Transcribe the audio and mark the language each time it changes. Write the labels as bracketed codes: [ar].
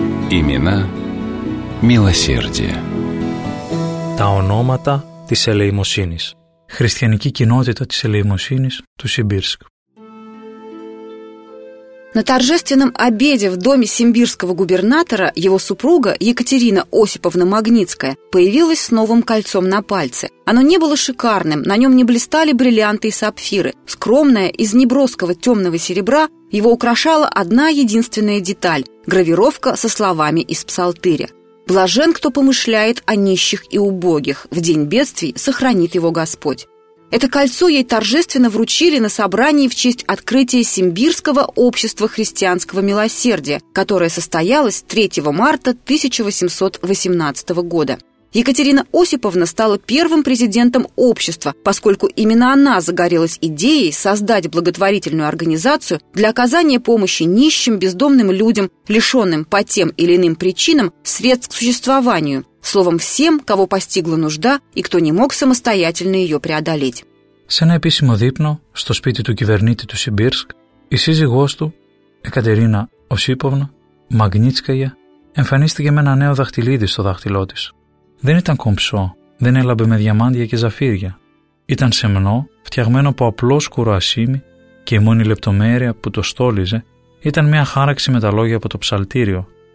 [ru] Имена милосердия. [el] Τα ονόματα της ελεημοσύνης. Χριστιανική κοινότητα της ελεημοσύνης του Σιμπίρσκ. [ru] На торжественном обеде в доме симбирского губернатора его супруга Екатерина Осиповна Магнитская появилась с новым кольцом на пальце. Оно не было шикарным, на нем не блистали бриллианты и сапфиры. Скромное, из неброского темного серебра, его украшала одна единственная деталь – гравировка со словами из псалтыря. «Блажен, кто помышляет о нищих и убогих, в день бедствий сохранит его Господь». Это кольцо ей торжественно вручили на собрании в честь открытия Симбирского общества христианского милосердия, которое состоялось 3 марта 1818 года. Екатерина Осиповна стала первым президентом общества, поскольку именно она загорелась идеей создать благотворительную организацию для оказания помощи нищим, бездомным людям, лишенным по тем или иным причинам средств к существованию, словом, всем, кого постигла нужда и кто не мог самостоятельно ее преодолеть. [el] Σε ένα επίσημο δείπνο στο σπίτι του κυβερνήτη του Σιμπίρσκ, η σύζυγός του, Εκατερίνα Οσίποβνα, Μαγνίτσκαγια, εμφανίστηκε με ένα νέο δαχτυλίδι στο δάχτυλό της. Δεν ήταν κομψό, δεν έλαμπε με διαμάντια και ζαφύρια. Ήταν σεμνό, φτιαγμένο από απλό σκούρο ασίμι και η μόνη λεπτομέρεια που το στόλιζε ήταν μια χάραξη με τα λόγια από το ψαλτήριο.